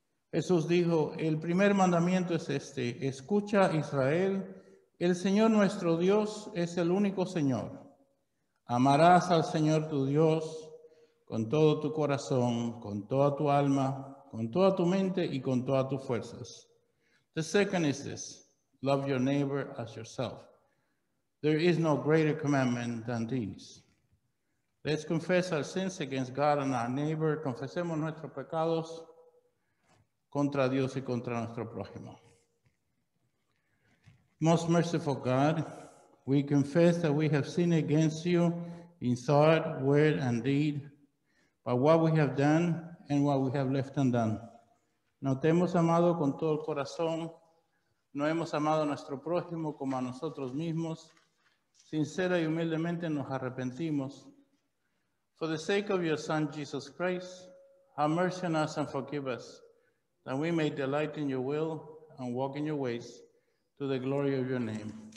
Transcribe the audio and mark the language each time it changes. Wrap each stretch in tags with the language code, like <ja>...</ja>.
<es>Jesús dijo, el primer mandamiento es este, escucha Israel, el Señor nuestro Dios es el único Señor. Amarás al Señor tu Dios con todo tu corazón, con toda tu alma, con toda tu mente y con todas tus fuerzas.</es> <en>The second is this, love your neighbor as yourself. There is no greater commandment than these. Let's confess our sins against God and our neighbor.</en> <es>Confesemos nuestros pecados contra Dios y contra nuestro prójimo.</es> <en>Most merciful God, we confess that we have sinned against you in thought, word, and deed, by what we have done and what we have left undone.</en> <es>No te hemos amado con todo el corazón, no hemos amado a nuestro prójimo como a nosotros mismos. Sincera y humildemente nos arrepentimos.</es> <en>For the sake of your Son, Jesus Christ, have mercy on us and forgive us, that we may delight in your will and walk in your ways to the glory of your name.</en>